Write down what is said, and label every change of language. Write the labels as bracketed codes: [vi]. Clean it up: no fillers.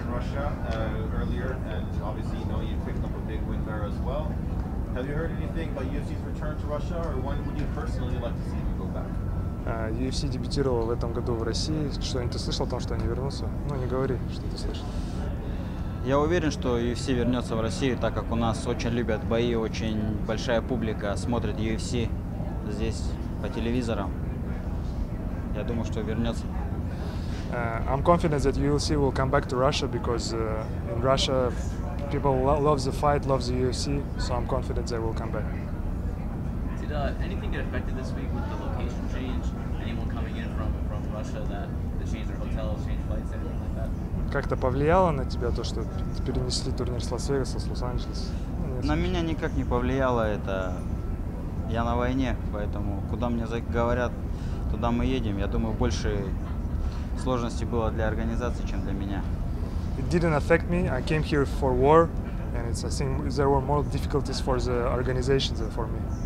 [en] Earlier, and obviously you know you picked up a big win there as well. Have you heard anything about UFC's return to Russia, or when would you personally like to see him go back? [ru] UFC дебютировал в этом году в России. Что-нибудь ты слышал о том, что они вернутся? Ну, не говори, что ты слышал. Я уверен, что UFC вернется в Россию, так как у нас очень любят бои, очень большая публика смотрит UFC здесь по телевизорам. Я думаю, что вернется. [en] I'm confident that UFC will come back to Russia because in Russia people love the fight, love the UFC, so I'm confident they will come back. Did anything get affected this week with the location change? Anyone coming in from Russia that changed their hotels, changed flights, anything like that? [ru] Как-то повлияло на тебя то, что перенесли турнир с Лас-Вегаса, с Лос-Анджелес? На меня никак не повлияло это. Я на войне, поэтому куда мне говорят, туда мы едем. Я думаю, больше сложности было для организации, чем для меня. [en] It didn't affect me. I came here for war, and it's, I think there were more difficulties for the organization than for me.